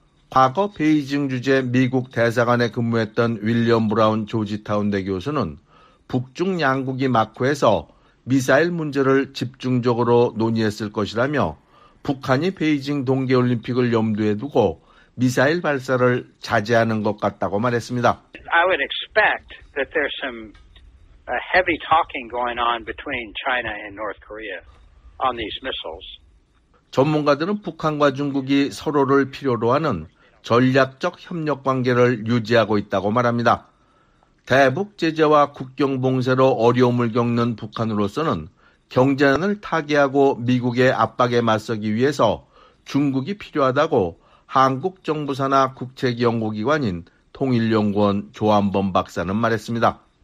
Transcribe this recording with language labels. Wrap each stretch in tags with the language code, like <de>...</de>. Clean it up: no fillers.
<ko>과거 베이징 주재 미국 대사관에 근무했던 윌리엄 브라운 조지타운 대 교수는 북중 양국이 마크에서 미사일 문제를 집중적으로 논의했을 것이라며 북한이 베이징 동계올림픽을 염두에 두고 미사일 발사를 자제하는 것 같다고 말했습니다.</ko> <en>I would expect that there's some heavy talking going on between China and North Korea on these missiles.</en> <ko>전문가들은 북한과 중국이 서로를 필요로 하는 전략적 협력 관계를 유지하고 있다고 말합니다. 대북 제재와 국경 봉쇄로 어려움을 겪는 북한으로서는 경제난을 타개하고 미국의 압박에 맞서기 위해서 중국이 필요하다고 한국 정부 산하 국책연구기관인 통일연구원 조한범 박사는 말했습니다.</ko>